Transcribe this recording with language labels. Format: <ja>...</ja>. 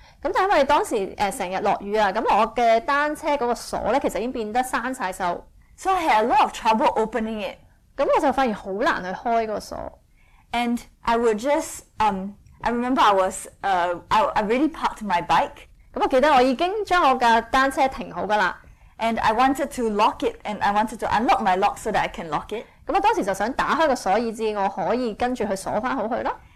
<yue>咁就因為當時成日落雨啊，咁我嘅單車嗰個鎖咧其實已經變得生曬鏽。</yue> <en>So I had a lot of trouble opening it.</en> <yue>咁我就發現好難去開個鎖。</yue> <en>And I would just I remember I really parked my bike.</en> <yue>咁我記得我已經將我嘅單車停好噶啦。</yue> <en>And I wanted to lock it, and I wanted to unlock my lock so that I can lock it.</en> <yue>咁我當時就想打開個鎖，以至我可以跟住去鎖翻好佢咯。</yue>